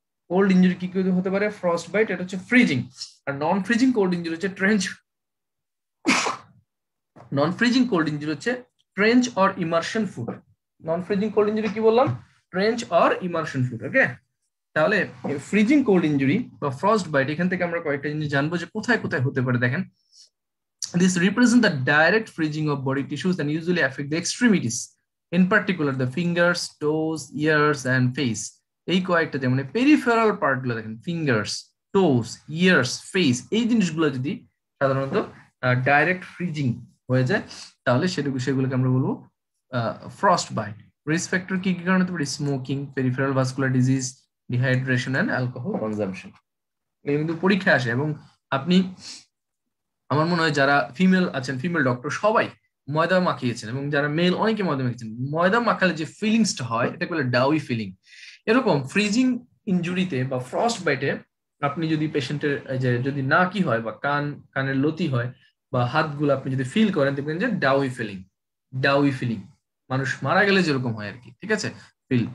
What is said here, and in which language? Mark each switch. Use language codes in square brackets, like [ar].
[bn] Cold injury কি কি হতে পারে, ফ্রস্ট বাইট, এটা হচ্ছে ফ্রিজিং, আর নন ফ্রিজিং কোল্ড ইঞ্জুরি হচ্ছে ট্রেঞ্চ, নন ফ্রিজিং কোল্ড ইঞ্জুরি হচ্ছে trench or immersion food, non freezing cold injury কি বললাম, ট্রেঞ্চ অর ইমার্শন ফুড। ওকে, তাহলে ফ্রিজিং কোল্ড ইঞ্জুরি বা ফ্রস্ট বাইট, এখান থেকে আমরা কয়েকটা জিনিস জানবো যে কোথায় কোথায় হতে পারে। দেখেন, [en] this represents the direct freezing of body tissues and usually affect the extremities, in particular the fingers, toes, ears and face. [bn] এই কয়েকটা যেমন peripheral part গুলো দেখেন, fingers, toes, ears, face, এই জিনিসগুলো যদি সাধারণত direct freezing হয়ে যায়, তাহলে সেগুলোকে আমরা বলবো frostbite. [en] risk factor [bn] কি কি কারণ হতে পারে, [en] smoking, peripheral vascular disease, dehydration and alcohol consumption. [bn] এই কিন্তু পরীক্ষা আসে, এবং আপনি, আমার মনে হয় যারা ফিমেল আছেন, ফিমেল ডক্টর সবাই ময়দা মাখিয়েছেন, এবং যারা মেল অনেকে ময়দা মাখিয়েছেন, ময়দা মাখালে যে ফিলিংসটা হয় এটাকে বলে ডাউই ফিলিং। এরকম ফ্রিজিং ইঞ্জুরিতে বা ফ্রস্ট বাইটে আপনি যদি পেশেন্টের যে যদি নাকি হয় বা কান কানের লতি হয় বা হাতগুলো আপনি যদি ফিল করেন, দেখবেন যে ডাউই ফিলিং, ডাউই ফিলিং, মানুষ মারা গেলে যেরকম হয় আর কি, ঠিক আছে, ফিল।